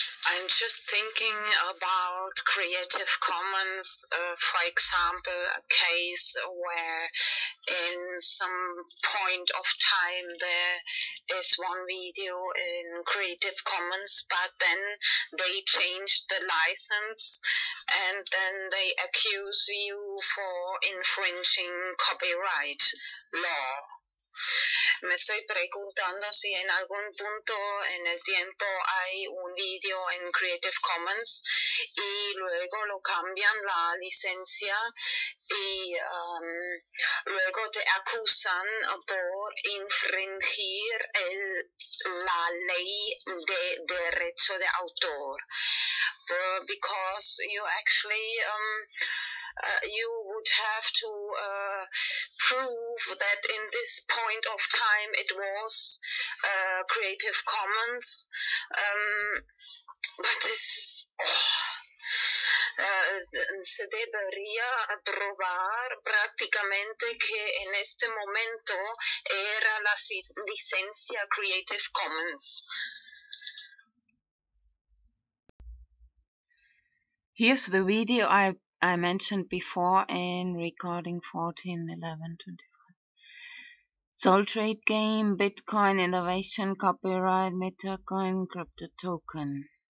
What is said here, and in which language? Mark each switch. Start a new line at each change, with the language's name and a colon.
English: I'm just thinking about Creative Commons, for example, a case where in some point of time there is one video in Creative Commons, but then they change the license and then they accuse you for infringing copyright law.
Spanish: Me estoy preguntando si en algún punto en el tiempo hay un video en Creative Commons y luego lo cambian la licencia y luego te acusan por infringir la ley de derecho de autor.
English: Because you actually... you would have to prove that in this point of time it was Creative Commons, but this is, oh,
Spanish: se debería probar prácticamente que en este momento era la licencia Creative Commons.
English: Here's the video I mentioned before in recording 14.11.25. SoulTradeGame, Bitcoin Innovation, Copyright, MetaCoin, Crypto Token.